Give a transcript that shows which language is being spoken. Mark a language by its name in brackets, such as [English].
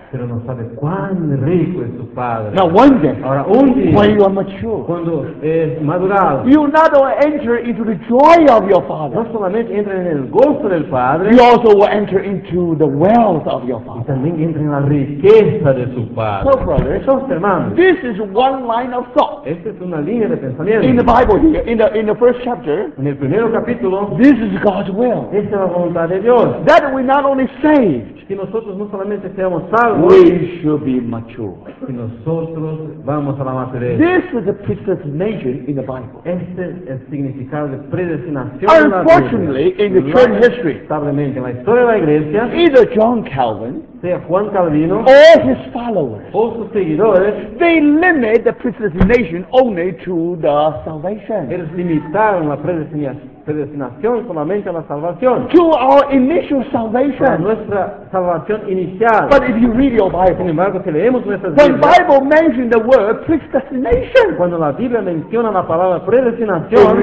[Spanish] Pero no sabe cuán rico es su padre. [English] Now one day, [Spanish] ahora un día, [English] when you are mature, [Spanish] cuando es madurado, [English] you not only enter into the joy of your father, [Spanish] no solamente entra en el gozo del padre, [English] you also will enter into the wealth of your father. [Spanish] Y también entra en la riqueza de su padre. [English] So brothers, [Spanish] so hermanos, [English] this is one line of thought. [Spanish] Esta es una línea de pensamiento. [English] In the Bible here, in the first chapter, [Spanish] en el primer capítulo, [English] this is God's will. [Spanish] Esta es la voluntad de Dios. [English] That we not only saved, [Spanish] que nosotros no solamente seamos salvos, [English] we should be mature. [Spanish] Que nosotros vamos a la madurez. [English] This is the predestination in the Bible. [Spanish] Este es el significado de predestinación. [English] Unfortunately, in the church history, [Spanish] en la historia de la iglesia, [English] either John Calvin, [Spanish] sea Juan Calvino, [English] or his followers, [Spanish] o sus seguidores, [English] they limit the predestination only to the salvation. [Spanish] Ellos limitaron la predestinación solamente a la salvación. [English] To our initial salvation. [Spanish] Para nuestra salvación inicial. [English] But if you read your Bible, [Spanish] sin embargo, si leemos nuestra [English] Biblia, the Bible mentions the word predestination. [Spanish] Cuando la Biblia menciona la palabra predestinación,